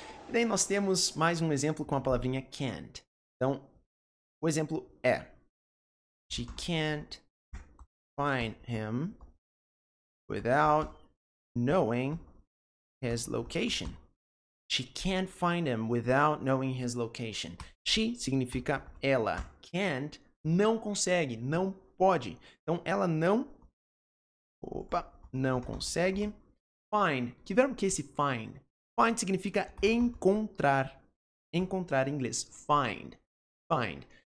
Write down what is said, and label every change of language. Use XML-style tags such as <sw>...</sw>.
<pt>Daí nós temos mais um exemplo com a palavrinha can't. Então, o exemplo é:</pt> <en>She can't find him without knowing his location. She can't find him without knowing his location.</en> <pt>She significa ela. Can't, não consegue, não pode. Então, ela não. Opa, não consegue. Find. Que verbo que é esse find? Find significa encontrar. Encontrar em inglês. Find. Find.</pt>